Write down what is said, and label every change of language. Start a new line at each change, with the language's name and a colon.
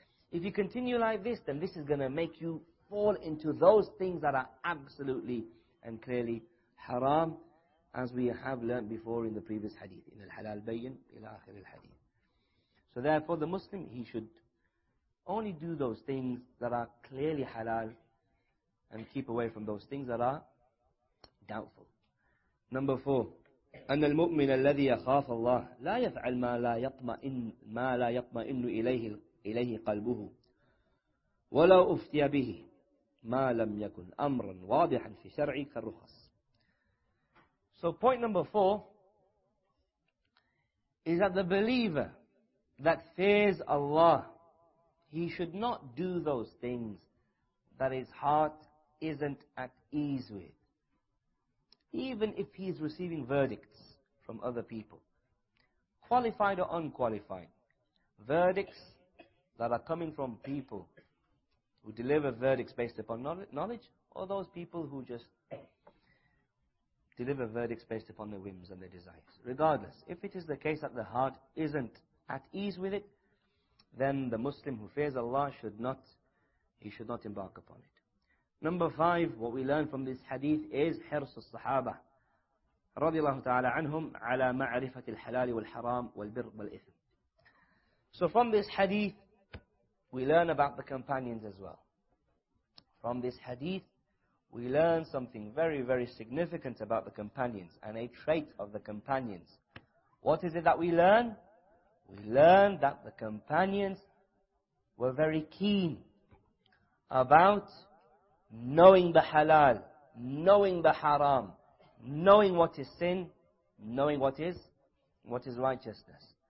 English: If you continue like this, then this is going to make you fall into those things that are absolutely and clearly haram, as we have learned before in the previous hadith.
Arabic: In al-halal bayyin ila akhir al-hadith.
English: So therefore, the Muslim, he should only do those things that are clearly halal and keep away from those things that are doubtful. Number four.
Arabic: أن المؤمن الذي يخاف الله لا يفعل ما لا يطمئن ما لا يطمئن إليه قلبه ولو أفتي به ما لم يكن أمرا واضحا في شرعه كالرخص.
English: So point number four is that the believer that fears Allah, he should not do those things that his heart isn't at ease with. Even if he's receiving verdicts from other people, qualified or unqualified, verdicts that are coming from people who deliver verdicts based upon knowledge, or those people who just deliver verdicts based upon their whims and their desires. Regardless, if it is the case that the heart isn't at ease with it, then the Muslim who fears Allah should not embark upon it. Number five, what we learn from this hadith is
Arabic: حرص الصحابة رضي الله تعالى عنهم على معرفة الحلال والحرام والبر والإثم.
English: So from this hadith, we learn about the companions as well. From this hadith, we learn something very, very significant about the companions and a trait of the companions. What is it that we learn? We learn that the companions were very keen about knowing the halal, knowing the haram, knowing what is sin, knowing what is righteousness.